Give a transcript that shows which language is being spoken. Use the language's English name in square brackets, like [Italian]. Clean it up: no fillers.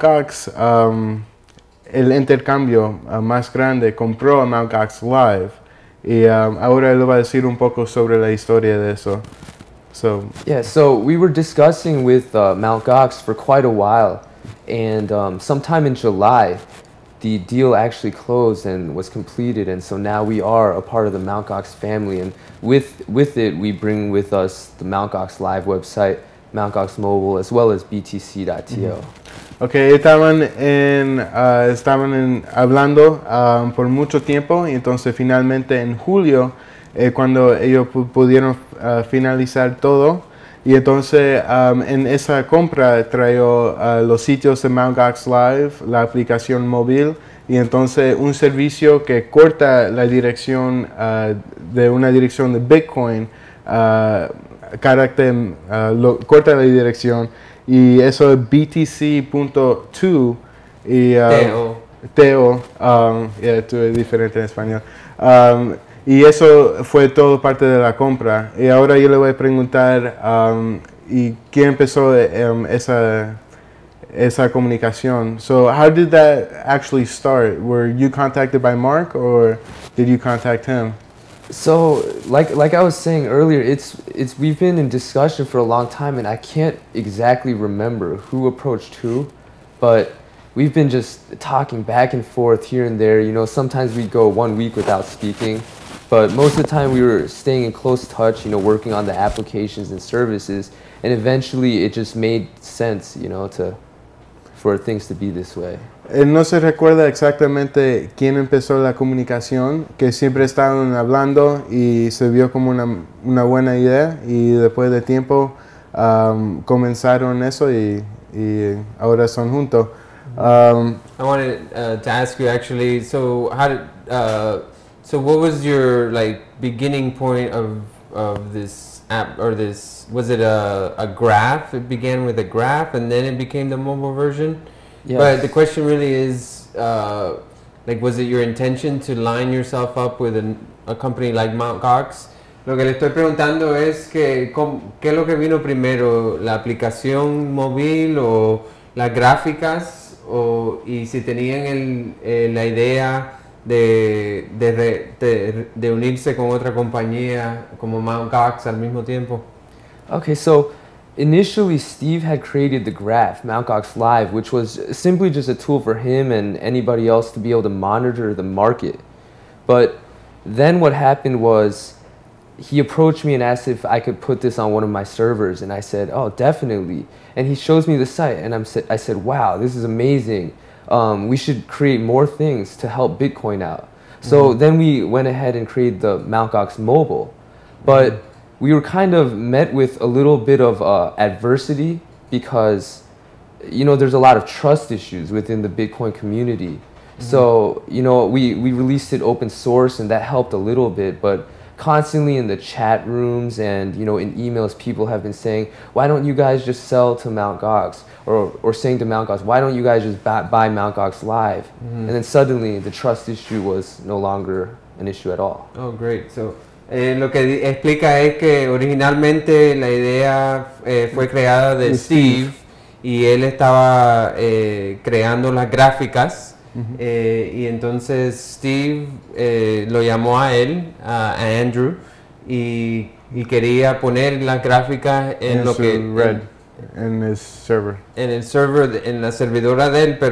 [Spanish] Gox, el intercambio más grande, compró a Mt. Gox Live. Y ahora le voy a decir un poco sobre la historia de eso. [English] So. Yeah, so we were discussing with Mt. Gox for quite a while. And sometime in July, the deal actually closed and was completed, and so now we are a part of the Mt. Gox family, and with it we bring with us the Mt. Gox Live website, Mt. Gox Mobile, as well as BTC.to. Mm-hmm. [Spanish] Okay, estaban hablando por mucho tiempo, y entonces finalmente en julio, cuando ellos pudieron finalizar todo, y entonces en esa compra trajo los sitios de Mt. Gox Live, la aplicación móvil y entonces un servicio que corta la dirección de una dirección de Bitcoin, carácter, corta la dirección y eso es BTC.to y Teo, esto es diferente en español. Y eso fue todo parte de la compra. Y ahora yo le voy a preguntar, ¿y quién empezó esa comunicación? [English] So, how did that actually start? Were you contacted by Mark, or did you contact him? So, like I was saying earlier, it's we've been in discussion for a long time, and I can't exactly remember who approached who, but we've been just talking back and forth here and there. You know, sometimes we'd go 1 week without speaking, but most of the time we were staying in close touch, you know, working on the applications and services, and eventually it just made sense, you know, for things to be this way. [Spanish] No se recuerda exactamente quién empezó la comunicación, que siempre estaban hablando y se vio como una buena idea, y después de tiempo comenzaron eso y ahora son juntos. [English] I wanted to ask you actually, so so what was your like beginning point of this app, or this, was it a graph? It began with a graph and then it became the mobile version? Yes. But the question really is, like, was it your intention to line yourself up with a company like Mt. Gox? [Spanish] Lo que le estoy preguntando es que, ¿qué es lo que vino primero? ¿La aplicación móvil o las gráficas? O, y si tenían la idea de unirse con otra compañía como Mt. Gox al mismo tiempo. [English] Okay, so initially, Steve had created the graph, Mt. Gox Live, which was simply just a tool for him and anybody else to be able to monitor the market. But then what happened was he approached me and asked if I could put this on one of my servers. And I said, oh, definitely. And he shows me the site. And I said, wow, this is amazing. We should create more things to help Bitcoin out. So then we went ahead and created the Mt. Gox Mobile. But we were kind of met with a little bit of adversity because, you know, there's a lot of trust issues within the Bitcoin community. Mm-hmm. So, you know, we released it open source and that helped a little bit, but constantly in the chat rooms and, you know, in emails, people have been saying, why don't you guys just sell to Mt. Gox? Or saying to Mt. Gox, why don't you guys just buy Mt. Gox Live? Mm-hmm. And then suddenly the trust issue was no longer an issue at all. Oh, great. [Spanish] So lo que explica es que originalmente la idea fue creada de Steve y él estaba creando las gráficas. Mm-hmm. Y entonces Steve lo llamó a él, a Andrew, y quería poner las gráficas en la servidora de él.